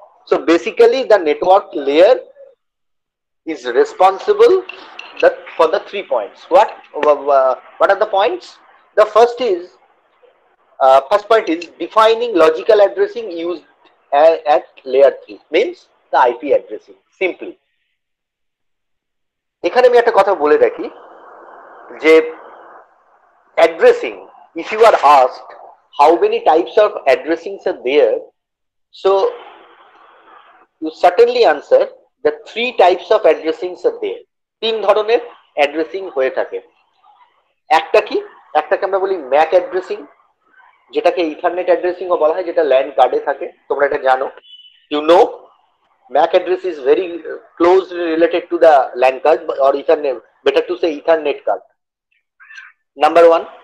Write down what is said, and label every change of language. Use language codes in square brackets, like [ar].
[en] So basically the network layer is responsible for the three points. What are the points? The first point is defining logical addressing use at layer 3 means the IP addressing simply. [bn] এখানে আমি একটা কথা বলে রাখি যে [en] addressing, if you are asked how many types of addressings are there, so you certainly answer the three types of addressings are there. [bn] তিন ধরনের addressing হয়ে থাকে। একটা কি? একটাকে আমরা বলি MAC addressing, যেটাকে ইথারনেট অ্যাড্রেসিং ও বলা হয়, যেটা ল্যান্ড কার্ডে থাকে। তোমরা এটা জানো, [en] You know MAC address is very close related to the LAN card or Ethernet, better to say Ethernet card. Number one.